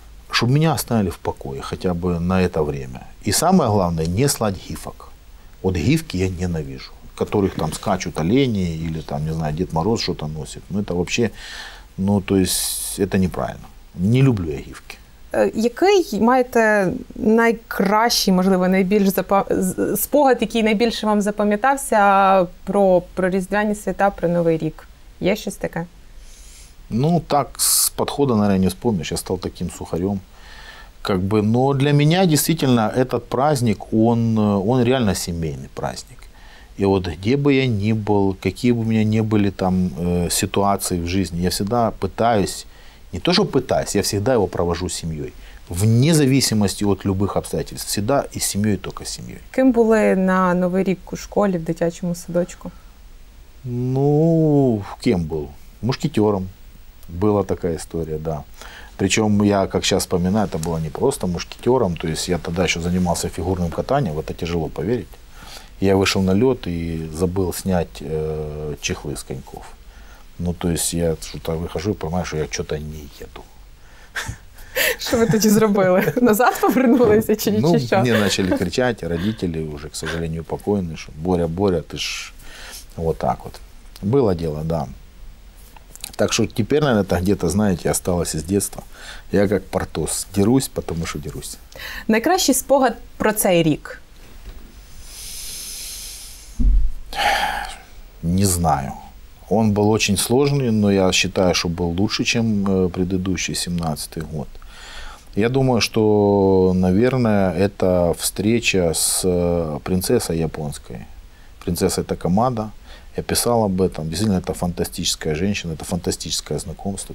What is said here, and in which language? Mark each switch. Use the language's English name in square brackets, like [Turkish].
[Russian] Чтобы меня оставили в покое хотя бы на это время. И самое главное, не слать гифок. Вот гифки я ненавижу, которых там скачут олени или там, не знаю, Дед Мороз что-то носит. Ну, это вообще, ну, то есть это неправильно. Не люблю я гифки. [Ukrainian] Який маєте найкращий, можливо, найбільш спогад, який найбільше вам запам'ятався про Різдвяні свята, про Новий рік? Є щось таке? Ну, так, з підходу, [Russian] наверное, не вспомниш. [Ukrainian] Я став таким сухарем. [Russian] Как бы, но для меня действительно этот праздник, он реально сімейний праздник. [Ukrainian] І от де би я ні був, які б у мене не були там ситуації в житті, я завжди пытаюсь. [Russian] Не то, что пытаюсь, я всегда его провожу с семьей. Вне зависимости от любых обстоятельств. Всегда и с семьей, и только с семьей. [Ukrainian] Ким були на Новий рік у школі, в дитячому садочку? Ну, ким був? Мушкетером. Була така історія, да. Причому я, як зараз пам'ятаю, це було не просто мушкетером. Тобто я тоді ще займався фігурним катанням, це тяжело повірити. Я вийшов на льот і забув зняти чехли з коньков. [Russian] Ну, то есть я что-то выхожу и понимаю, что я что-то не еду. Что вы тогда сделали? [Ukrainian] Назад повернулись или что? [Russian] Ну, мне начали кричать, родители уже, к сожалению, покойные, что Боря, Боря, ты ж вот так вот. Было дело, да. Так что теперь, наверное, это где-то, знаете, осталось из детства. Я как Портос, дерусь, потому что дерусь. [Ukrainian] Найкращий спогад про цей рік? [Russian] Не знаю. Он был очень сложный, но я считаю, что был лучше, чем предыдущий 17-й год. Я думаю, что, наверное, это встреча с принцессой японской. Принцесса – это Камада. Я писал об этом. Действительно, это фантастическая женщина, это фантастическое знакомство.